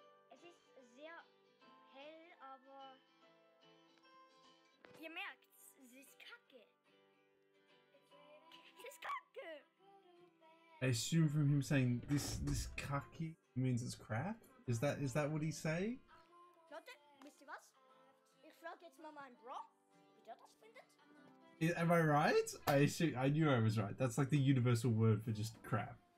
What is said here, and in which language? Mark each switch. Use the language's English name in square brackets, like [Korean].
[German] Es ist sehr hell, aber ihr merkt, es ist kacke. Es ist kacke. [English] I assume from him saying this kacke means it's crap. Is that what he's saying? [German] Leute, wisst ihr was? Ich frage jetzt mal meinen Bro, wie der das findet. [English] Am I right? I knew I was right. That's like the universal word for just crap.